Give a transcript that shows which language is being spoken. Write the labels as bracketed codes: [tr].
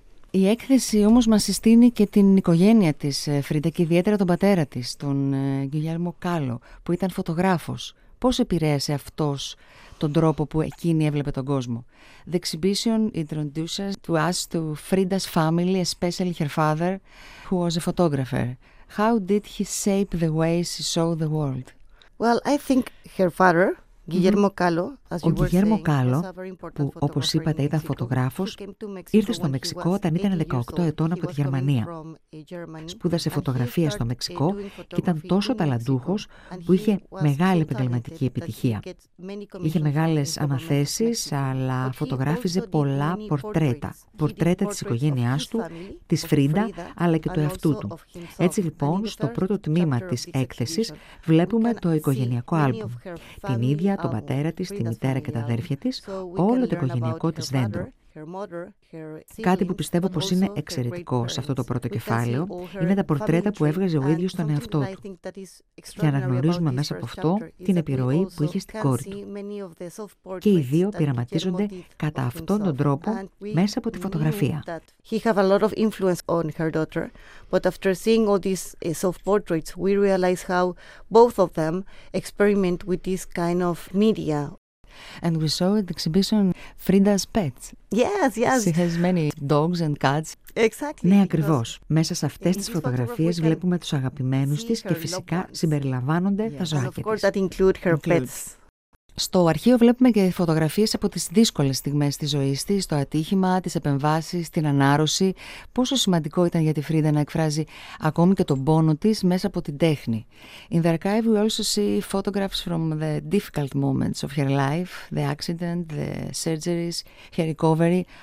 [el] Η έκθεση όμως μας συστήνει και την οικογένεια της Φρίντα, και ιδιαίτερα τον πατέρα της, τον Γκουγιέρμο Κάλλο, που ήταν φωτογράφος. Πώς επηρέασε αυτός τον τρόπο που εκείνη έβλεπε τον κόσμο? [en] The exhibition introduces to us to Frida's family, especially her father, who was a photographer. How did he shape the way she saw the world? Well, I think her father, Guillermo Kahlo, [el] ο Γκουγιέρμο Κάλλο, που όπως είπατε ήταν φωτογράφος, ήρθε στο Μεξικό όταν ήταν 18 ετών από τη Γερμανία. Σπούδασε φωτογραφία στο Μεξικό και ήταν τόσο ταλαντούχος που είχε μεγάλη επαγγελματική επιτυχία. Είχε μεγάλες αναθέσεις, αλλά φωτογράφιζε πολλά πορτρέτα. Πορτρέτα της οικογένειάς του, της Φρίντα, αλλά και του εαυτού του. Έτσι λοιπόν, στο πρώτο τμήμα της έκθεσης βλέπουμε το οικογενειακό άλμπουμ. Την ίδια, τον πατέρα της, τη μητέρα και τα αδέρφια της, όλο το οικογενειακό της δέντρο. Κάτι που πιστεύω πως είναι εξαιρετικό σε αυτό το πρώτο κεφάλαιο είναι τα πορτρέτα που έβγαζε ο ίδιος τον εαυτό του, και αναγνωρίζουμε μέσα από αυτό την επιρροή που είχε στην κόρη του. Και οι δύο πειραματίζονται κατά αυτόν τον τρόπο μέσα από τη φωτογραφία. [en] He has a lot of influence on her daughter, but after seeing all these self-portraits, we realize how both of them experiment with this kind of media. And we saw at the exhibition Frida's pets. Yes, yes. She has many dogs and cats. Exactly. [el] Ναι, ακριβώς. Μέσα σε αυτές τις φωτογραφίες βλέπουμε τους αγαπημένους της, και φυσικά συμπεριλαμβάνονται τα ζωάκια της. [en] That include her pets. [el] Στο αρχείο βλέπουμε και φωτογραφίες από τις δύσκολες στιγμές της ζωής της, το ατύχημα, τις επεμβάσεις, την ανάρρωση. Πόσο σημαντικό ήταν για τη Φρίντα να εκφράζει ακόμη και τον πόνο της μέσα από την τέχνη? [en] In the archive we also see photographs from the difficult moments of her life, the accident, the surgeries, her recovery.